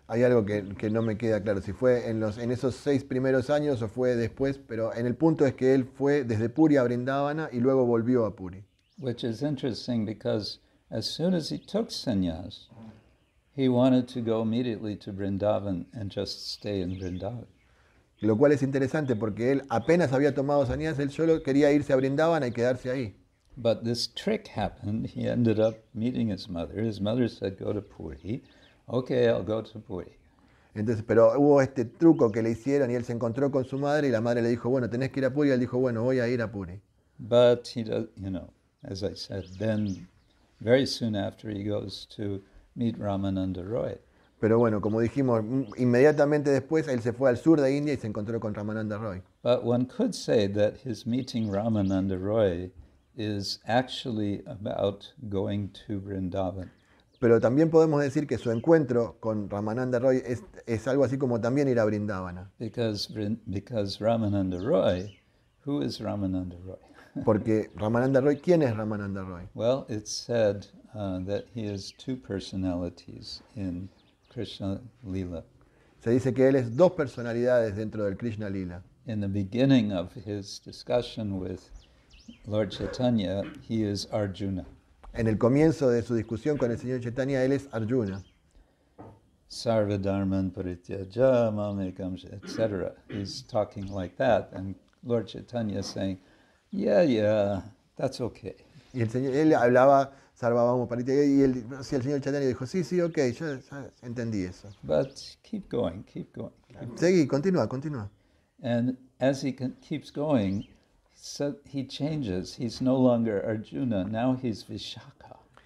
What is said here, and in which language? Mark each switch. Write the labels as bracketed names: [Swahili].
[Spanish] Hay algo que no me queda claro, si fue en esos 6 primeros años o fue después, pero en el punto es que él fue desde Puri a Vrindavana y luego volvió a Puri. [English] Which is interesting because as soon as he took sannyas, he wanted to go immediately to Vrindavan and just stay in Vrindavan. [Spanish] Lo cual es interesante porque él apenas había tomado sannyas, él solo quería irse a Vrindavan y quedarse ahí. [English] But this trick happened. He ended up meeting his mother. His mother said, "Go to Puri." Okay, I'll go to Puri. [Spanish] Entonces, pero hubo este truco que le hicieron y él se encontró con su madre y la madre le dijo, "Bueno, tenés que ir a Puri." Él dijo, "Bueno, voy a ir a Puri." [English] But he does, you know, as I said, then very soon after he goes to meet Ramananda Roy. [Spanish] Pero bueno, como dijimos, inmediatamente después él se fue al sur de India y se encontró con Ramananda Roy. [English] But one could say that his meeting Ramananda Roy is actually about going to Vrindavan. [Spanish] Pero también podemos decir que su encuentro con Ramananda Roy es algo así como también ir a Vrindavana. [English] Because Ramananda Roy, who is Ramananda Roy? [Spanish] Porque Ramananda Roy, ¿quién es Ramananda Roy? [English] Well, it's said that he has two personalities in Krishna Lila. [Spanish] Se dice que él es dos personalidades dentro del Krishna Lila. [English] In the beginning of his discussion with Lord Chaitanya, he is Arjuna. [Spanish] En el comienzo de su discusión con el señor Chaitanya, él es Arjuna. [Sanskrit] Sarva dharman parityaja mam ekam, etc. [English] He's talking like that, and Lord Chaitanya is saying, "Yeah, yeah, that's okay." [Spanish] Y el señor, él hablaba Sarvabhauma Paritya, y el señor Chaitanya dijo, sí, ok, yo ya entendí eso. [English] But keep going. [Spanish] Seguí, continúa. [English] And as he keeps going, so he changes, he's no longer Arjuna, now he's Vishaka.